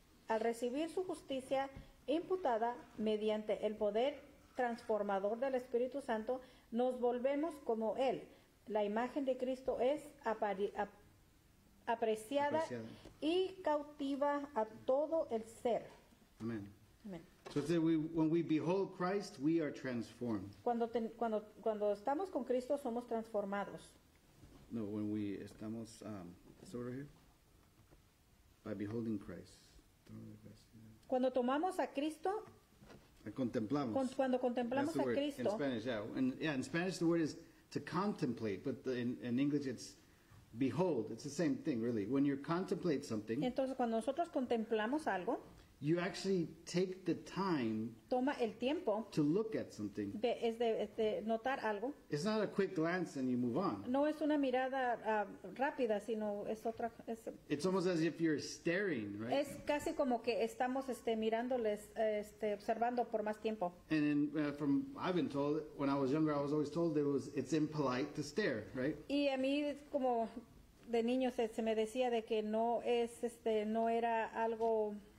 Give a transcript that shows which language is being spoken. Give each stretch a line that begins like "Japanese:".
Spanish: Al recibir su justicia imputada mediante el poder transformador del Espíritu Santo, nos volvemos como Él. La imagen de Cristo es apreciada y cautiva a todo el ser. Amen.
English: So it says, when we behold Christ, we are transformed.
Spanish: Cuando estamos con Cristo, somos transformados.
English: No, when we estamos, is it over here? By beholding Christ.
Spanish: Cuando tomamos a Cristo, contemplamos. Cuando contemplamos a Cristo.
English: In Spanish, in Spanish, the word is to contemplate, but in English it's behold. It's the same thing, really. When you contemplate something,
Spanish: entonces cuando nosotros contemplamos algo,
English: you actually take the time,
Spanish: toma el tiempo,
English: to look at something,
Spanish: de notar algo.
English: It's not a quick glance and you move on.
Spanish: No es una mirada rápida, sino es otra.
English: It's almost as if you're staring, right?
Spanish: Es casi como que estamos mirándoles, observando por más tiempo.
English: And from I've been told, when I was younger, I was always told it's impolite to stare, right?
Spanish: Y a mí como de niño se me decía de que no era algo